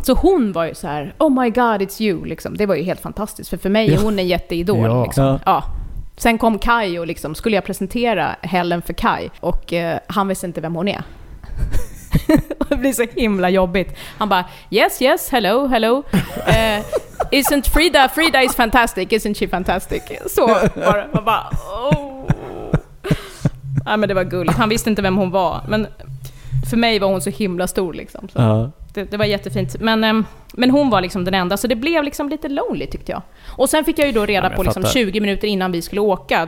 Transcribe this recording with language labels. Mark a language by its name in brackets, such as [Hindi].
[Swedish] Så hon var ju så här, [English] oh my god it's you [Swedish] liksom. Det var ju helt fantastiskt, för mig är hon en jätteidol liksom. Ja. Sen kom Kai och liksom, skulle jag presentera Helen för Kai, och han visste inte vem hon är. Det blir så himla jobbigt. Han bara, [English] yes, hello. Isn't Frida? Frida is fantastic, isn't she fantastic? [Swedish] Så bara, man bara, oh. Nej, men det var gulligt. Han visste inte vem hon var. Men för mig var hon så himla stor. Liksom, så. Ja. det var jättefint. Men hon var liksom den enda, så det blev liksom lite lonely tyckte jag. Och sen fick jag ju då reda på liksom 20 minuter innan vi skulle åka.